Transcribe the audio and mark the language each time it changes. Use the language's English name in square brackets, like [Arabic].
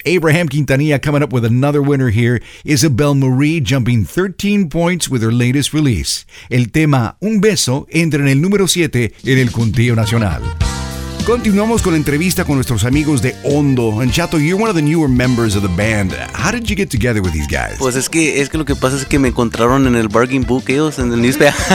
[English] Abraham Quintanilla coming up with another winner here. Isabel Marie jumping 13 points with her latest release. [Spanish] El tema Un Beso entra en el número 7 en el conteo nacional. Continuamos con la entrevista con nuestros amigos de Hondo. [English] And Chato, you're one of the newer members of the band. How did you get together with these guys? [Spanish] Pues es que lo que pasa es que me encontraron en el [English] bargain book [Spanish] ellos, en el newspaper.